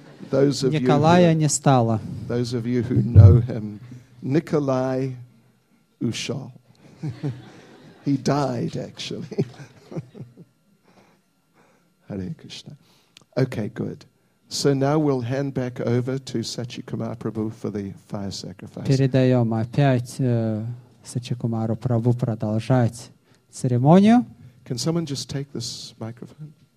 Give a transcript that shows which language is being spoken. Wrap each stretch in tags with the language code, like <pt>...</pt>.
<en>Those of Николая you who, не стало. Those of you who know him, Nikolai Ushal. He died, actually. Hare Krishna. Okay, good. So now we'll hand back over to Sachikumar Prabhu for the fire sacrifice.</en> <ru>Передаем опять Сачикумару Прабу продолжать церемонию.</ru> <en>Can someone just take this microphone?</en>